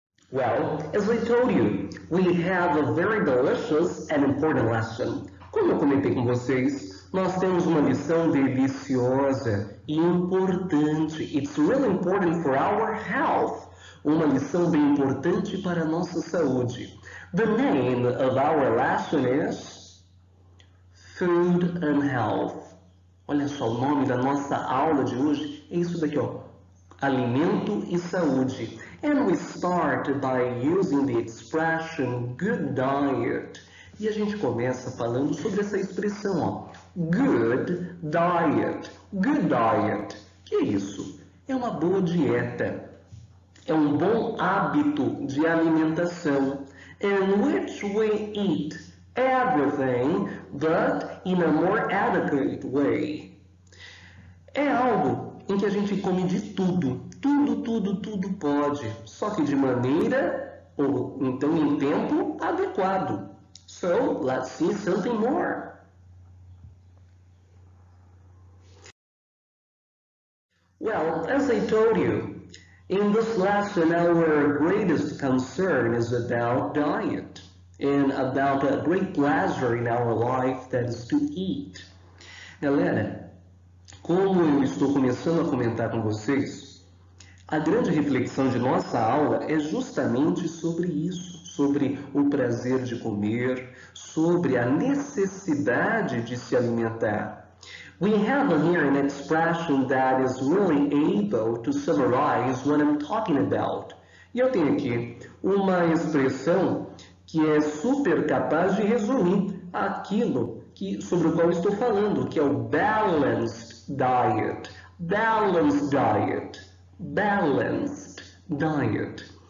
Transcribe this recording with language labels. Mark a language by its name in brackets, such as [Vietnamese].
[English] Well, as I told you, we have a very delicious and important lesson. [Portuguese] Como eu comentei com vocês, nós temos uma lição deliciosa e importante. [English] It's really important for our health. [Portuguese] Uma lição bem importante para a nossa saúde. [English] The name of our lesson is Food and Health. [Portuguese] Olha só o nome da nossa aula de hoje, é isso daqui, ó. Alimento e saúde. [English] And we start by using the expression good diet. [Portuguese] E a gente começa falando sobre essa expressão, ó. [English] Good diet. Good diet. [Portuguese] Que é isso? É uma boa dieta. É um bom hábito de alimentação. [English] In which we eat everything, but in a more adequate way. [Portuguese] É algo em que a gente come de tudo, tudo, tudo, tudo pode, só que de maneira ou então em tempo adequado. [English] So, let's see something more. Well, as I told you, in this lesson, our greatest concern is about diet and about a great pleasure in our life that is to eat. [Portuguese] Galera, como eu estou começando a comentar com vocês, a grande reflexão de nossa aula é justamente sobre isso, sobre o prazer de comer, sobre a necessidade de se alimentar. [English] We have here an expression that is really able to summarize what I'm talking about. [Portuguese] E eu tenho aqui uma expressão que é super capaz de resumir aquilo que, sobre o qual estou falando, que é o balanced diet. [English] Balanced diet. Balanced diet.